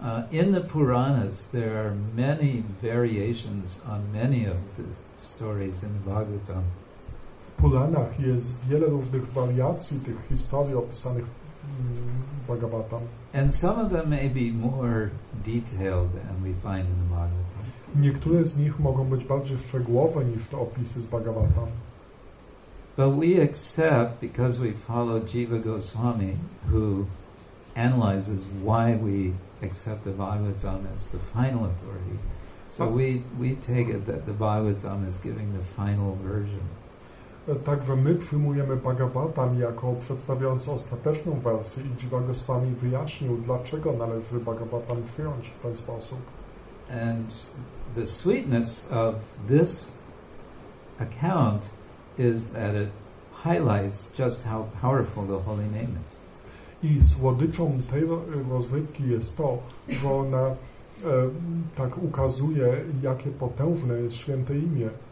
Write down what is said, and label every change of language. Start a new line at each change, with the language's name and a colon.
English: In the Puranas, there are many variations on many of the stories in the Bhagavatam.
Polish: W Puranach jest wiele różnych wariacji tych historii opisanych w Bhagavatam.
English: And some of them may be more detailed than we find in the Bhagavatam.
Polish: Niektóre z nich mogą być bardziej szczegółowe niż te opisy z Bhagavatam.
English: But we accept, because we follow Jiva Goswami, who analyzes why we accept the Bhagavatam as the final authority. So we take it that the Bhagavatam is giving the final version.
Polish: Także my przyjmujemy Bhagavatam jako przedstawiający ostateczną wersję i Jiva Goswami wyjaśnił, dlaczego należy Bhagavatam przyjąć w ten sposób.
English: And the sweetness of this account is that it highlights just how powerful the holy name is.
Polish: I słodyczą tej rozrywki jest to, że ona tak ukazuje, jakie potężne jest święte imię.